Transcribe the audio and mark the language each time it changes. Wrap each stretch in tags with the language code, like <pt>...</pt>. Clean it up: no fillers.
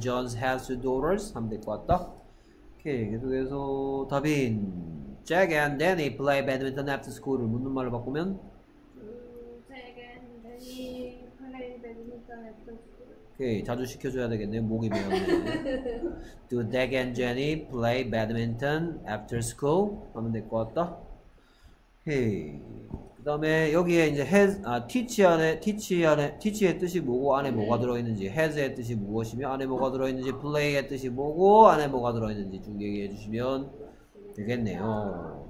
<en>Jones have two daughters?</en> <ko>하면 될 것 같다. 오케이, 계속해서 다빈.</ko> <en>Jack and Danny play badminton after school을</en> <ko>묻는 말로 바꾸면?</ko> <en>Jack and Danny play badminton after school.</en> <ko>오케이, 자주 시켜줘야 되겠네요. 목이 메었네.</ko> <en>Do Jack and Jenny play badminton after school?</en> <ko>하면 될 것 같다. 오케이. 그 다음에 여기에 이제 has, 아, teach의 뜻이 뭐고 안에 뭐가 들어있는지, has의 뜻이 무엇이며 안에 뭐가 들어있는지, play의 뜻이 뭐고 안에 뭐가 들어있는지 쭉 얘기해 주시면 되겠네요.</ko>